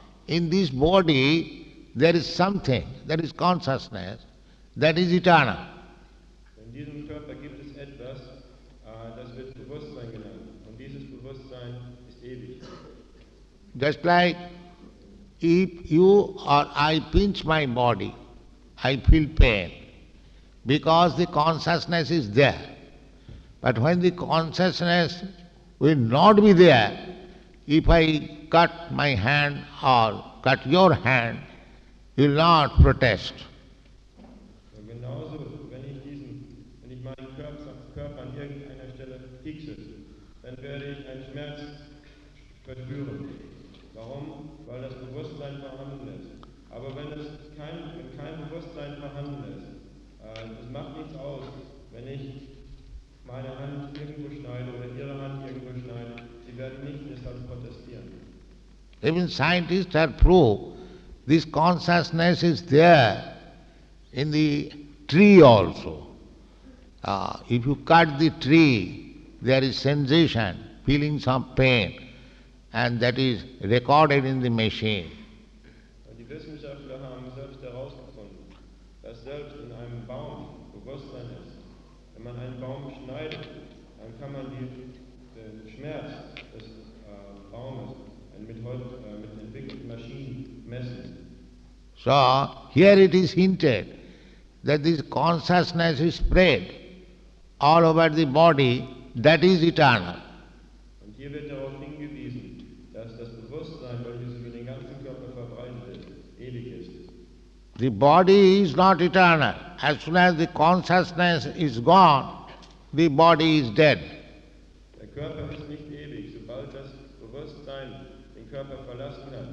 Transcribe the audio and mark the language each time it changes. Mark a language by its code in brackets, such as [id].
[en] In this body there is something, that is consciousness, that is eternal. [de] In diesem Körper gibt es etwas, das wird Bewusstsein genannt. Und dieses Bewusstsein ist ewig. [en] Just like if you or I pinch my body, I feel pain because the consciousness is there. But when the consciousness will not be there, if I cut my hand or cut your hand, you will not protest. [de] Genauso, wenn ich meinen Körper an irgendeiner Stelle fixe, dann werde ich einen Schmerz verspüren. Warum? Weil das Bewusstsein vorhanden ist. Aber wenn es kein Bewusstsein vorhanden ist, das macht nichts aus, wenn ich meine Hand irgendwo schneide oder ihre Hand irgendwo schneide, sie werden nicht deshalb protestieren. [en] Even scientists have proved this consciousness is there in the tree also. If you cut the tree, there is sensation, feeling some pain, and that is recorded in the machine. [de] Die Wissenschaftler haben selbst herausgefunden, dass selbst in einem Baum Bewusstsein ist. Wenn man einen Baum schneidet, dann kann man den Schmerz des Baumes mit entwickelten Maschinen messen. [en] So, here it is hinted that this consciousness is spread all over the body, that is eternal. [de] Und hier wird darauf hingewiesen, dass das Bewusstsein, welches über den ganzen Körper verbreitet ist, ewig ist. [en] The body is not eternal. As soon as the consciousness is gone, the body is dead. [de] Der Körper ist nicht ewig. Sobald das Bewusstsein den Körper verlassen